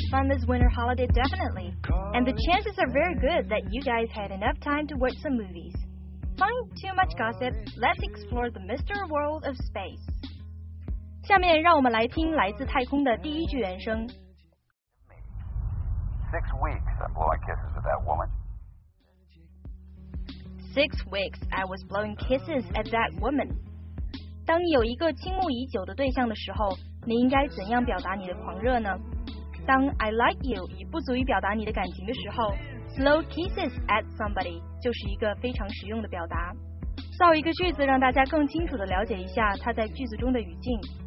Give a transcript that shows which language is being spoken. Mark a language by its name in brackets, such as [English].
[English] This winter holiday definitely, and the chances are very good that you guys had enough time to watch some movies. Fine, too much gossip, let's explore the mystery world of space. [Chinese] 下面让我们来听来自太空的第一句原声。 [English] 6 weeks I'm blowing kisses at that woman. 6 weeks I was blowing kisses at that woman. [Chinese] 当你有一个倾慕已久的对象的时候，你应该怎样表达你的狂热呢？当 [English] I like you [Chinese] 已不足以表达你的感情的时候 [English] slow kisses at somebody [Chinese] 就是一个非常实用的表达。造一个句子让大家更清楚地了解一下它在句子中的语境。